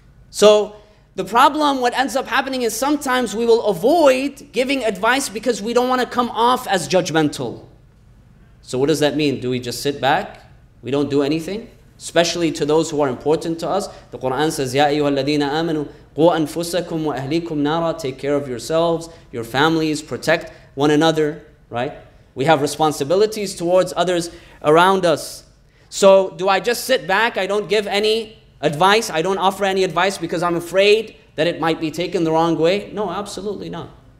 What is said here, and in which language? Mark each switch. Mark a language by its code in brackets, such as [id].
[en] So, the problem, what ends up happening is sometimes we will avoid giving advice because we don't want to come off as judgmental. So what does that mean? Do we just sit back? We don't do anything? Especially to those who are important to us. The Quran says, [ar] Ya أيها الذين آمنوا قوا أنفسكم وأهليكم نارا. [en] Take care of yourselves, your families, protect one another, right? We have responsibilities towards others around us. So do I just sit back? I don't give any advice. I don't offer any advice because I'm afraid that it might be taken the wrong way. No, absolutely not.